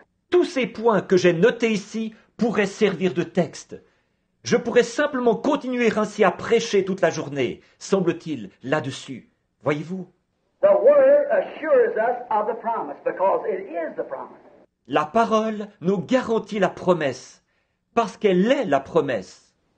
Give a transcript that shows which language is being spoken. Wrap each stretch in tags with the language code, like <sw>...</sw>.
<fr>Tous ces points que j'ai notés ici pourraient servir de texte. Je pourrais simplement continuer ainsi à prêcher toute la journée, semble-t-il, là-dessus. Voyez-vous?</fr> <en>The word assures us of the promise because it is the promise.</en> <fr>La parole nous garantit la promesse, parce qu'elle est la promesse.</fr>